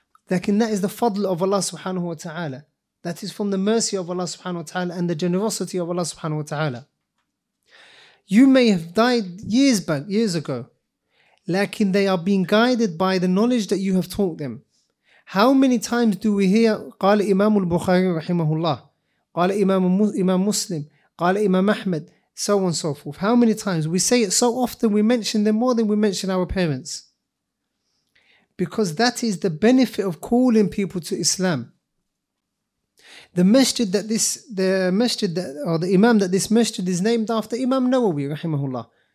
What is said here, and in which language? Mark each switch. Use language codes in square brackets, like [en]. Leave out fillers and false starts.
[en] Lakin that is the fadl of Allah subhanahu wa ta'ala. That is from the mercy of Allah subhanahu wa ta'ala and the generosity of Allah subhanahu wa ta'ala. You may have died years ago, lakin they are being guided by the knowledge that you have taught them. How many times do we hear [ar] قال إمام البخاري رحمه الله قال إمام مسلم قال إمام أحمد [en] so on so forth. How many times? We say it so often, we mention them more than we mention our parents. Because that is the benefit of calling people to Islam. The masjid that this, the masjid that, or the imam that this masjid is named after, Imam Nawawi, rahimahullah.